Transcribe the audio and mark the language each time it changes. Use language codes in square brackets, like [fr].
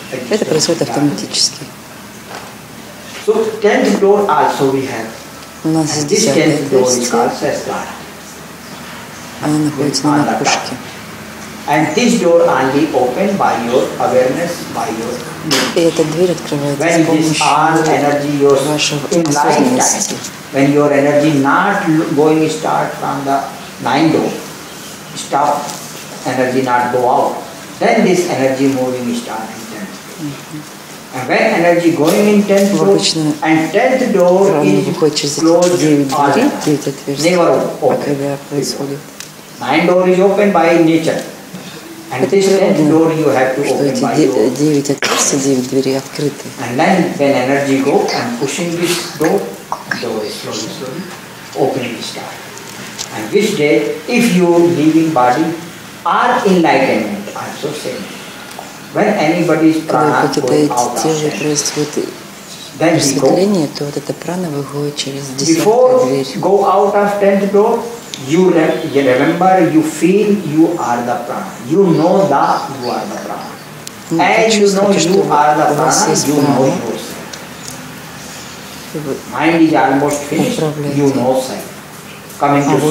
[ru] Это происходит автоматически. [en] So, tenth door also we have. [ru] У нас есть десятое отверстие. Оно находится на макушке. [en] And this door only open by your awareness, by your. [ru] И эта дверь открывается с помощью вашего осознанности. [en] When your energy not going start from the nine door, stop energy not go out, then this energy moving start in tenth door. And when energy going in tenth door, and tenth door is closed, never open. Nine door is open by nature. And this tenth door you have to open by your. [ru] Девять отверстий, девять дверей открыты. [en] And then when energy go, I'm pushing this door. Door is slowly, slowly opening the start. And which day, if your living body are enlightenment, I'm so saying. When anybody is prana going out of [ru] тело происходит просветление, то вот эта прана выходит через десятую дверь. [en] Before go out of tenth door, you remember, you feel you are the prana. You know that you are the prana. And you know you are the prana, you know yourself. Mind is almost finished, you know self. Coming to soul.